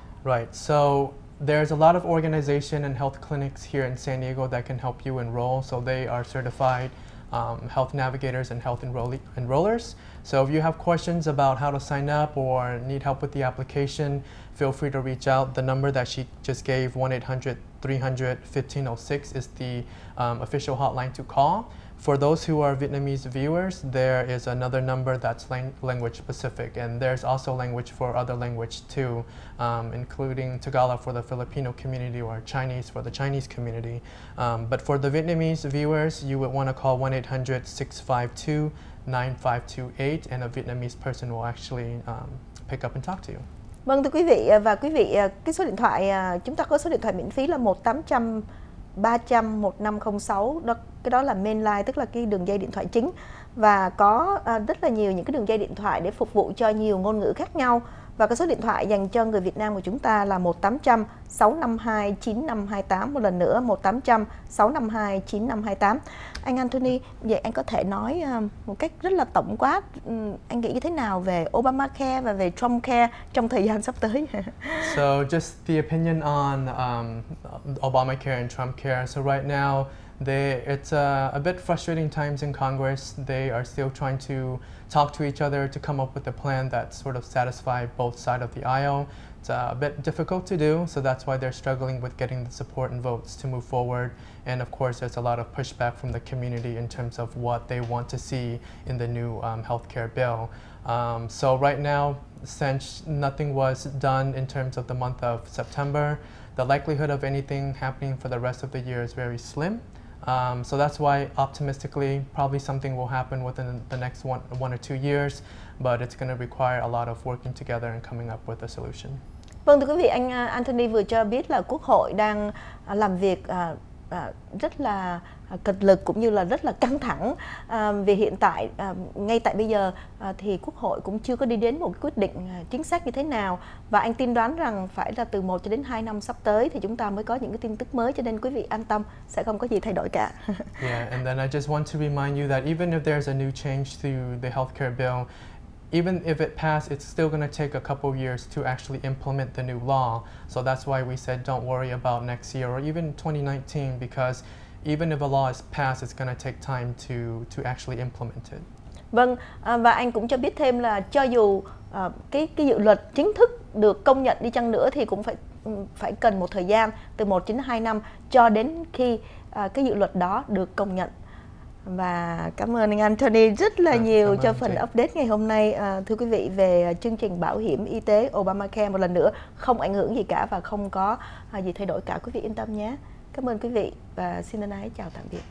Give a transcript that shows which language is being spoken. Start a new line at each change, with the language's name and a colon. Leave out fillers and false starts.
English: Right, so there's a lot of organization and health clinics here in San Diego that can help you enroll. So they are certified health navigators and health enrollers. So if you have questions about how to sign up or need help with the application, feel free to reach out. The number that she just gave, 1-800-300-1506, is the official hotline to call. For those who are Vietnamese viewers, there is another number that's language specific, and there's also language for other language too, including Tagalog for the Filipino community or Chinese for the Chinese community. But for the Vietnamese viewers, you would want to call 1-800-652-9528, and a Vietnamese person will actually pick up and talk to you.
Vietnamese: Vâng, thưa quý vị, và quý vị, cái số điện thoại, chúng ta có số điện thoại miễn phí là 1-800-300-1506, đó, cái đó là main line, tức là cái đường dây điện thoại chính. Và có rất là nhiều những cái đường dây điện thoại để phục vụ cho nhiều ngôn ngữ khác nhau. Và cái số điện thoại dành cho người Việt Nam của chúng ta là 1-800-652-9528, một lần nữa 1-800-652-9528. Anh Anthony, vậy anh có thể nói một cách rất là tổng quát, anh nghĩ như thế nào về Obamacare và về Trumpcare trong thời gian sắp tới?
English: So just the opinion on Obamacare and Trumpcare. So right now, it's a bit frustrating times in Congress. They are still trying to talk to each other to come up with a plan that sort of satisfies both sides of the aisle. It's a bit difficult to do, so that's why they're struggling with getting the support and votes to move forward. And of course, there's a lot of pushback from the community in terms of what they want to see in the new healthcare bill. So right now, since nothing was done in terms of the month of September, the likelihood of anything happening for the rest of the year is very slim. So that's why, optimistically, probably something will happen within the next one or two years, but it's going to require a lot of working together and coming up with a solution.
Vietnamese: Vâng, thưa quý vị, anh Anthony vừa cho biết là Quốc hội đang làm việc rất là cật lực cũng như là rất là căng thẳng, vì hiện tại, ngay tại bây giờ thì Quốc hội cũng chưa có đi đến một quyết định chính xác như thế nào, và anh tin đoán rằng phải là từ 1 cho đến 2 năm sắp tới thì chúng ta mới có những cái tin tức mới, cho nên quý vị an tâm, sẽ không có gì thay đổi cả.
English: Yeah, and then I just want to remind you that even if there's a new change to the healthcare bill, even if it passed, it's still going to take a couple of years to actually implement the new law. So that's why we said don't worry about next year or even 2019, because even if a law is passed, it's going to take time to actually implement it.
Vietnamese: Vâng, và anh cũng cho biết thêm là cho dù cái dự luật chính thức được công nhận đi chăng nữa thì cũng phải cần một thời gian từ 1 đến 2 năm cho đến khi cái dự luật đó được công nhận. Và cảm ơn anh Anthony rất là nhiều cho phần update ngày hôm nay, thưa quý vị, về chương trình bảo hiểm y tế Obamacare một lần nữa, không ảnh hưởng gì cả và không có gì thay đổi cả, quý vị yên tâm nhé. Cảm ơn quý vị và xin ân ái chào tạm biệt.